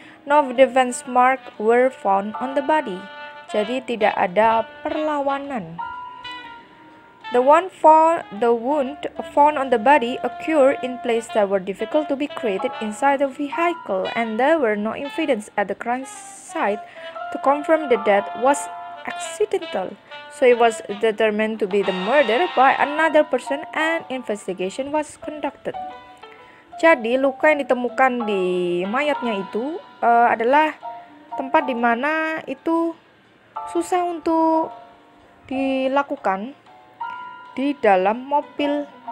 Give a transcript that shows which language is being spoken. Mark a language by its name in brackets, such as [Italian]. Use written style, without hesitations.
[English] No defense mark were found on the body. [Indonesian] Jadi tidak ada perlawanan. [English] The wound found on the body occurred in place that were difficult to be created inside the vehicle and there were no evidence at the crime site to confirm the death was accidental. So it was determined to be the murder by another person and investigation was conducted. [Indonesian] Jadi luka yang ditemukan di mayatnya itu adalah tempat di mana itu susah untuk dilakukan di dalam mobil.